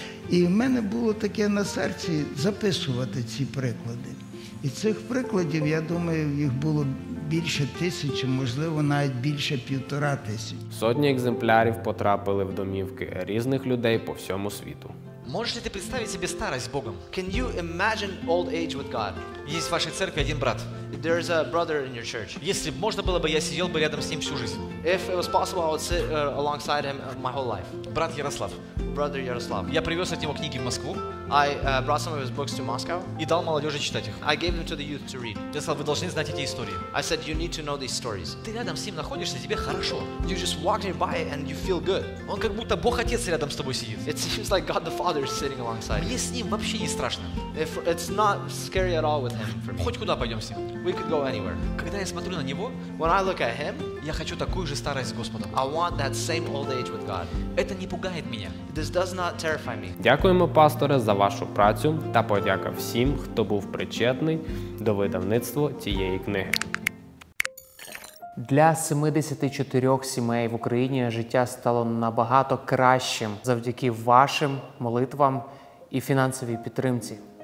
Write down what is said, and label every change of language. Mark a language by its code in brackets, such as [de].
[uk] І в мене було таке на серці записувати ці приклади. І цих прикладів, я думаю, їх було більше тисячі, можливо, навіть більше 1500. Сотні екземплярів потрапили в домівки різних людей по всьому світу. Можете ти представити собі старість з Богом? [en] Can you imagine old age with God? [uk] Є в вашій церкві один брат. [en] There is a brother in your church. [uk] Якщо б можна було, я сидів би рядом з ним всю життя. [en] If it was possible, I would sit alongside him my whole life. [uk] Брат Ярослав. [en] Brother Ярослав. [ru] Я привез от него книги в Москву. [en] I brought some of his books to Moscow. [uk] І дав молодежі читати їх. [en] I gave them to the youth to read. [uk] Я сказав, ви повинні знати ці історії. [en] I said, you need to know these stories. [uk] Ти рядом з ним знаходишся, тобі хорошо. [en] You just walk nearby and you feel good. [uk] Він як будто Бог Отець рядом з тобою сидить. [en] It seems like God the Father is sitting alongside. [uk] Мені з ним вообще не страшно. [en] If it's not scary at all with him for me. [uk] Хоч куди пойдемо з ним. [en] We could go anywhere. [uk] Коли я смотрю на нього, [en] when I look at him, [uk] я хочу таку же старість з Господом. [en] I want that same old age with God. [uk] Це не пугає мене. [en] This does not terrify me. [uk] Дякуємо, пасторе, за вашу працю та подяка всім, хто був причетний до видавництва цієї книги. Для 74 сімей в Україні життя стало набагато кращим завдяки вашим молитвам і фінансовій підтримці.